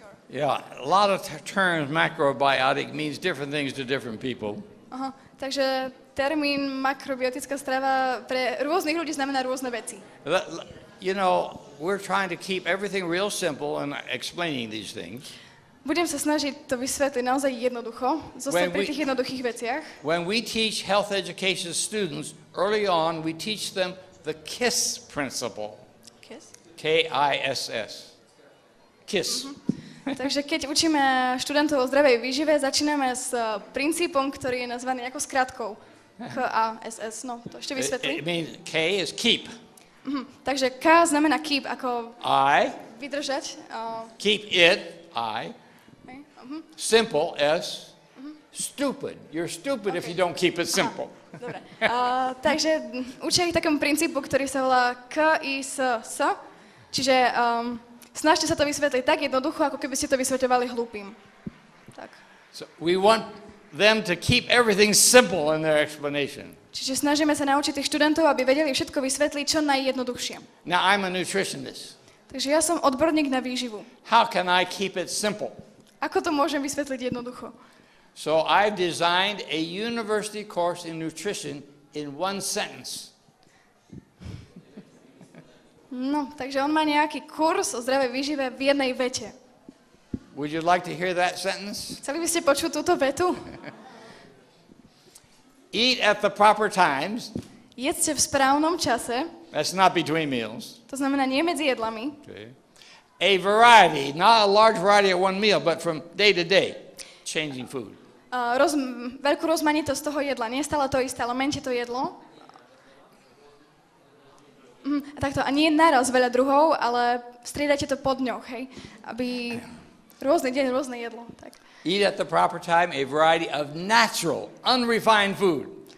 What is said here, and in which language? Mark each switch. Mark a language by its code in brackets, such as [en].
[en] Yeah, a lot of terms macrobiotic means different things to different people. [sk] Takže termín makrobiotická strava pre rôznych ľudí znamená rôzne veci. [en] You know, we're trying to keep everything real simple and explaining these things. [sk] Budem sa snažiť to vysvetliť naozaj jednoducho, zostať pri tých jednoduchých veciach. [en] When we teach health education students early on, we teach them the KISS principle. KISS. KISS. [sk] Takže keď učíme študentov o zdravej výžive, začíname s princípom, ktorý je nazvaný ako skratkou. KISS, no to ešte vysvetlím. [en] It means K is keep. [sk] Takže K znamená keep, ako [en] I, [sk] vydržať. [en] Keep it, I. Simple, S. Stupid. You're stupid if you don't keep it simple. [sk] Takže učia ich takému princípu, ktorý sa volá KISS. Čiže snažte sa to vysvetliť tak jednoducho, ako keby ste to vysvetľovali hlúpym. Tak. [en] So we want them to keep everything simple in their explanation. [sk] Čiže snažíme sa naučiť tých študentov, aby vedeli všetko vysvetliť čo najjednoduchšie. [en] Now I'm a nutritionist. [sk] Takže ja som odborník na výživu. [en] How can I keep it simple? [sk] Ako to môžem vysvetliť jednoducho? [en] So I've designed a university course in nutrition in one sentence. [sk] No, takže on má nejaký kurz o zdravej výžive v jednej vete. [en] Would you like to hear that sentence? [sk] Chceli by ste počuť túto vetu? [en] Eat at the proper times. [sk] Jedzte v správnom čase. [en] That's not between meals. [sk] To znamená nie medzi jedlami. [en] Okay. a variety, not a large variety at one meal, but from day to day, changing food. [sk] Veľkú rozmanitosť toho jedla. Nie stále to isté, ale meňte to jedlo. Takto, a nie naraz veľa druhov, ale striedate to po dňoch, hej? Aby rôzny deň, rôzne jedlo. Tak. [en] Eat at the proper time a variety of natural, unrefined food.